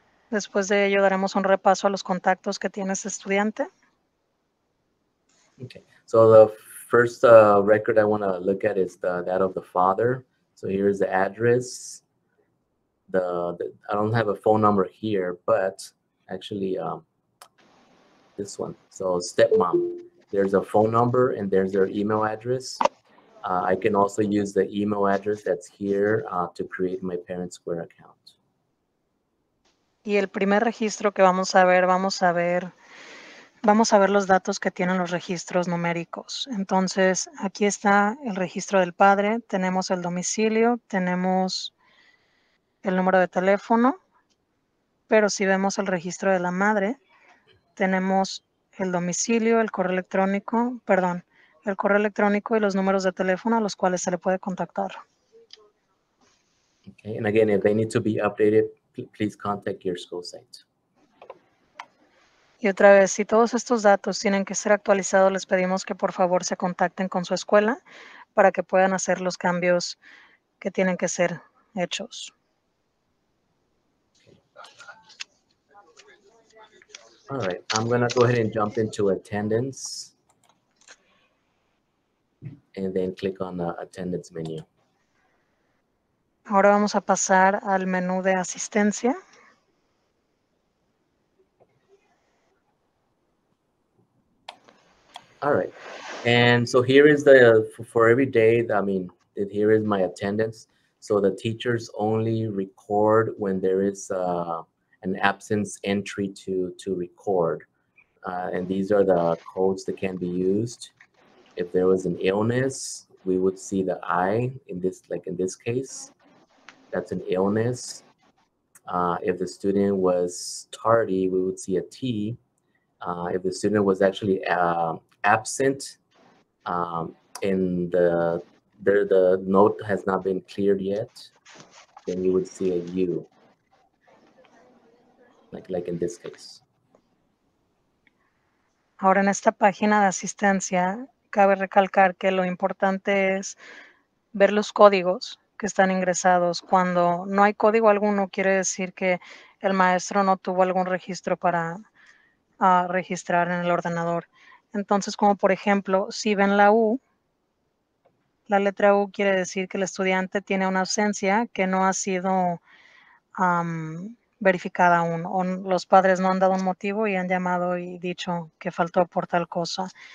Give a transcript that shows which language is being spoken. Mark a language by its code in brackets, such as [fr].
[es] Después de ello, daremos un repaso a los contactos que tiene ese estudiante. [en] Okay, so the first record I want to look at is that of the father. So here is the address. I don't have a phone number here, but actually this one. So stepmom, there's a phone number and there's their email address. I can also use the email address that's here to create my ParentSquare account. [es] Y el primer registro que vamos a ver los datos que tienen los registros numéricos. Entonces, aquí está el registro del padre, tenemos el domicilio, tenemos el número de teléfono, pero si vemos el registro de la madre, tenemos el domicilio, el correo electrónico y los números de teléfono a los cuales se le puede contactar. [en] Okay, and again, if they need to be updated, please contact your school site. [es] Y otra vez, si todos estos datos tienen que ser actualizados, les pedimos que por favor se contacten con su escuela para que puedan hacer los cambios que tienen que ser hechos. [en] Okay. All right, I'm going to go ahead and jump into attendance and then click on the attendance menu. [es] Ahora vamos a pasar al menú de asistencia. [en] All right. And so here is the, for every day, I mean, here is my attendance. So the teachers only record when there is an absence entry to record. And these are the codes that can be used. If there was an illness, we would see the I in this, like in this case. That's an illness. If the student was tardy, we would see a T. If the student was actually absent and the note has not been cleared yet, then you would see a U, like in this case. [es] Ahora en esta página de asistencia, cabe recalcar que lo importante es ver los códigos que están ingresados. Cuando no hay código alguno, quiere decir que el maestro no tuvo algún registro para registrar en el ordenador. Entonces, como por ejemplo, si ven la U, la letra U quiere decir que el estudiante tiene una ausencia que no ha sido verificada aún, o los padres no han dado un motivo y han llamado y dicho que faltó por tal cosa.